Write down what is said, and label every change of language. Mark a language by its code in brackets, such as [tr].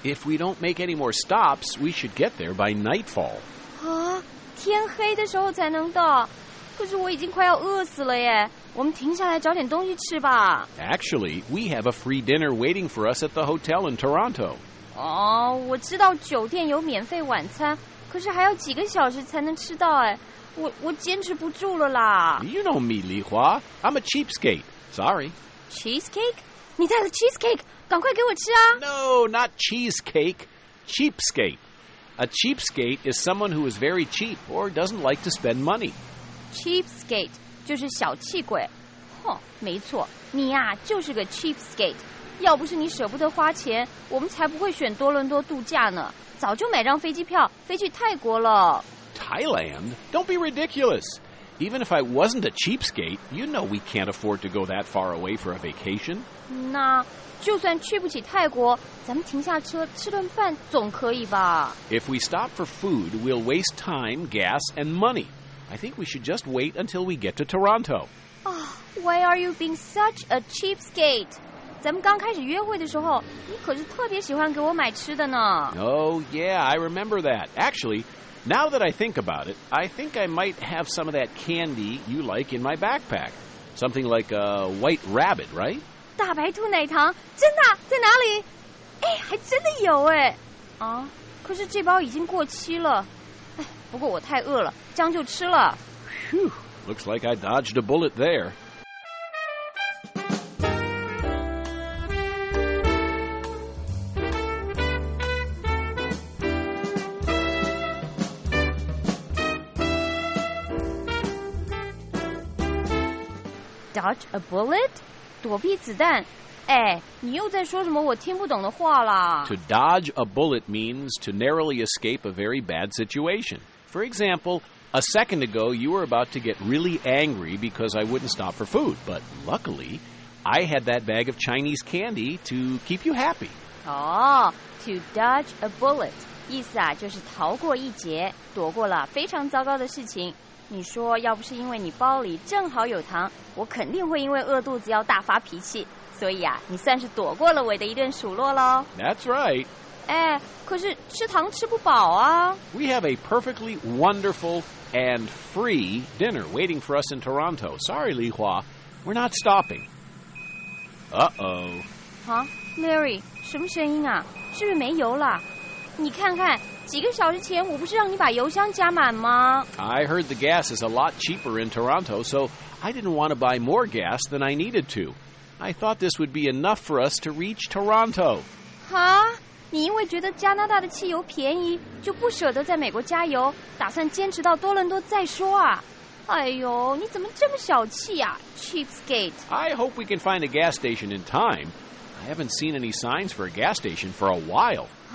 [en] If we don't make any more stops, we should get there by nightfall. [zh] 啊，天黑的时候才能到，可是我已经快要饿死了耶，我们停下来找点东西吃吧。 [en] Actually, we have a free dinner waiting for us at the hotel in Toronto. [zh] 哦，我知道酒店有免费晚餐，可是还要几个小时才能吃到哎，我坚持不住了啦。 [en] You know me, Li Hua. I'm a cheapskate. Sorry. [zh] Cheesecake? 你带了 cheesecake? 赶快给我吃啊。 [en] No, not cheesecake. Cheapskate. A cheapskate is someone who is very cheap or doesn't like to spend money. [zh] Cheapskate. 就是小气鬼，哼，没错，你呀、啊、就是个 cheapskate。要不是你舍不得花钱，我们才不会选多伦多度假呢，早就买张飞机票飞去泰国了。 [en] Thailand? Don't be ridiculous. Even if I wasn't a cheapskate, you know we can't afford to go that far away for a vacation. [zh] 那就算去不起泰国，咱们停下车吃顿饭总可以吧。 [en] If we stop for food, we'll waste time, gas, and money. I think we should just wait until we get to Toronto. Oh, why are you being such a cheapskate? [zh] 咱们刚开始约会的时候，你可是特别喜欢给我买吃的呢。 [en] Oh, yeah, I remember that. Actually, now that I think about it, I think I might have some of that candy you like in my backpack. Something like a white rabbit, right? [zh] 大白兔奶糖，真的，在哪里？哎，还真的有哎。啊，可是这包已经过期了。不过我太饿了，将就吃了。 Phew, looks like I dodged a bullet there. [en] Dodge a bullet? [zh] 躲避子弹？哎，你又在说什么我听不懂的话啦。 [en] To dodge a bullet means to narrowly escape a very bad situation. For example, a second ago, you were about to get really angry because I wouldn't stop for food. But luckily, I had that bag of Chinese candy to keep you happy. Oh, to dodge a bullet. [zh] 意思啊，就是逃过一劫，躲过了非常糟糕的事情。你说要不是因为你包里正好有糖，我肯定会因为饿肚子要大发脾气。所以啊，你算是躲过了我的一顿数落咯。 [en] That's right. [zh] 哎，可是吃糖吃不饱啊。 [en] We have a perfectly wonderful and free dinner waiting for us in Toronto. Sorry, Li Hua, we're not stopping. Uh-oh. [zh] Huh? Larry, 什么声音啊？是不是没油了？你看看，几个小时前我不是让你把油箱加满吗？ [en] I heard the gas is a lot cheaper in Toronto, so I didn't want to buy more gas than I needed to. I thought this would be enough for us to reach Toronto. Huh? [zh] 你因为觉得加拿大的汽油便宜，就不舍得在美国加油，打算坚持到多伦多再说啊？哎呦，你怎么这么小气啊 ，Cheapskate！ [en] I hope we can find a gas station in time. I haven't seen any signs for a gas station for a while.